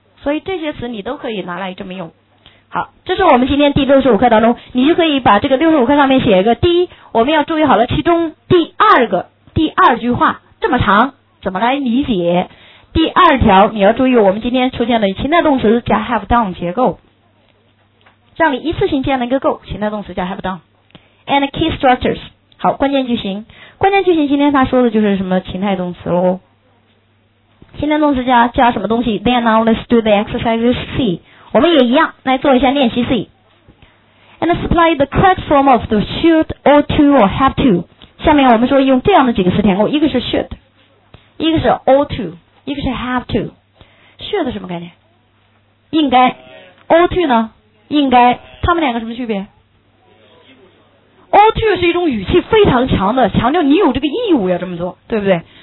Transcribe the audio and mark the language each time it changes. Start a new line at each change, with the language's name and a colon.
Chinese: 所以这些词你都可以拿来这么用。好，这是我们今天第65课当中，你就可以把这个65课上面写一个，第一我们要注意好了其中第二句话这么长怎么来理解，第二条你要注意我们今天出现的情态动词加 have done 结构，让你一次性建了一个够，情态动词加
English: have done and key structures。
Chinese: 好，关键句型今天他说的就是什么情态动词咯，情态动词加什么东西？
English: Then now let's do the exercises C，
Chinese: 我们也一样来做一下练习 C。
English: And supply the correct form of the should or to or have to。
Chinese: 下面我们说用这样的几个词填空，一个是 should， 一个是 or to， 一个是 have to。should 什么概念？应该。or to 呢？应该。他们两个什么区别？ or to 是一种语气非常强的，强调你有这个义务要这么做，对不对？